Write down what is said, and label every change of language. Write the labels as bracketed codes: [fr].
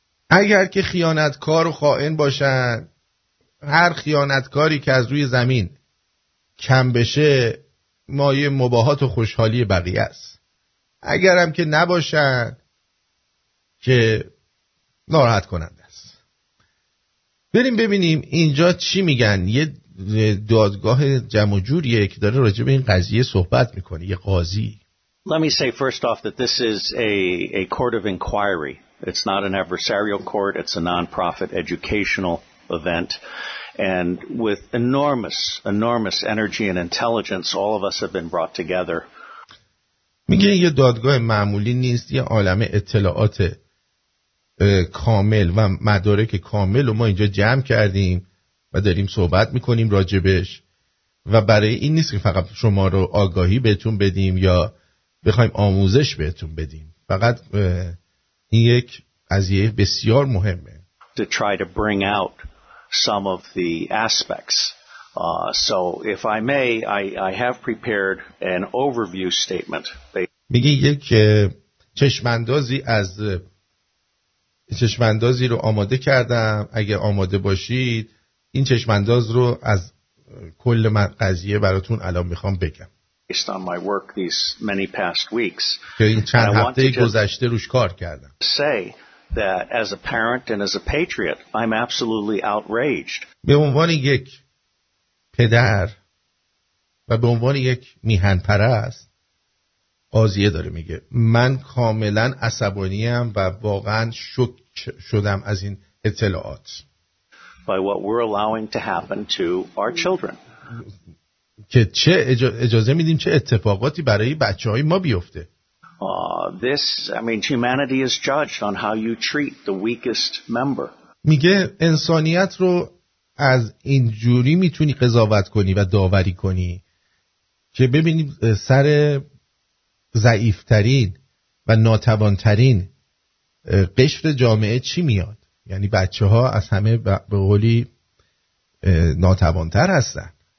[fa] اگر که خیانتکار و خائن باشن، هر خیانتکاری که از روی زمین کم بشه مایه مباهات و خوشحالی بقیه است. اگر هم که نباشن که ناراحت کننده است. بریم ببینیم اینجا چی میگن. یه دادگاه جمع جوریه که داره راجع به این قضیه صحبت میکنه، یه قاضی. [en] Let me say first off that this is a court of inquiry. It's not an adversarial court. It's a non-profit educational event. And with enormous, enormous energy and intelligence, all of us have been brought together [fa] میگه یه دادگاه معمولی نیست، یه عالم اطلاعات کامل و مدارک کامل و ما اینجا جمع کردیم و داریم صحبت میکنیم راجبش، و برای این نیست که فقط شما رو آگاهی بهتون بدیم یا بخوایم آموزش بهتون بدیم، فقط این یک قضیه بسیار مهمه. [en] To try to bring out some of the aspects. So if I may, I have prepared an overview statement. [fa] میگه یک چشماندازی از چشماندازی رو آماده کردم، اگه آماده باشید این چشمانداز رو از کل قضیه براتون الان میخوام بگم. [en] Based on my work these many past weeks. [fa] که این چند هفته گذشته روش کار کردم. [en] Say that as a parent and as a patriot, I'm absolutely outraged. [fa] به عنوان یک پدر و به عنوان یک میهن پرست قاضیه داره میگه من کاملا عصبانیم و واقعا شوک شدم از این اطلاعات. [en] By what we're allowing to happen to our children. [fa] که چه اجازه میدیم چه اتفاقاتی برای بچه‌های ما بیفته. [en] This, I mean, humanity is judged on how you treat the weakest member. [fa] میگه انسانیت رو از این جوری میتونی قضاوت کنی و داوری کنی که ببینیم سر ضعیف‌ترین و ناتوان‌ترین قشر جامعه چی میاد. یعنی بچه‌ها از همه به قولی ناتوان‌تر هستن.